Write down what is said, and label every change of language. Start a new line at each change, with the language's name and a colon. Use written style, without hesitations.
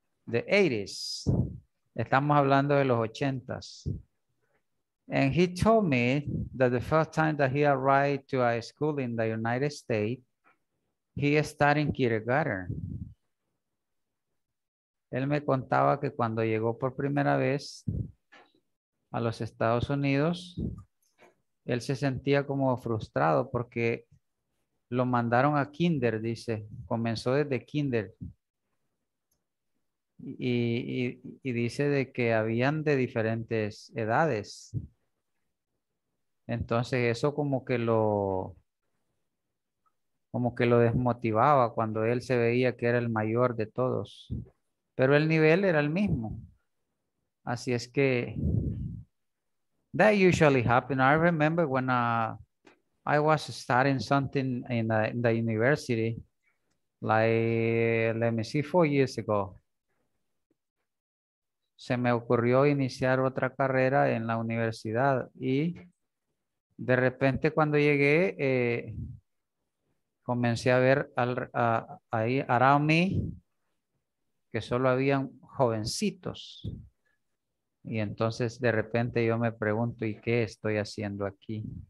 English: The 80s,
Spanish: estamos hablando de los 80s.
English: And he told me that the first time that he arrived to a school in the United States, he started in kindergarten.
Spanish: Él me contaba que cuando llegó por primera vez a los Estados Unidos, él se sentía como frustrado porque lo mandaron a kinder, dice, comenzó desde kinder. Y dice de que habían de diferentes edades. Entonces eso como que lo desmotivaba cuando él se veía que era el mayor de todos. Pero el nivel era el mismo. Así es que
English: that usually happened. I remember when I was starting something in the university, like let me see, 4 years ago.
Spanish: Se me ocurrió iniciar otra carrera en la universidad y de repente cuando llegué comencé a ver ahí
English: around me
Spanish: que solo habían jovencitos y entonces de repente yo me pregunto ¿y qué estoy haciendo aquí?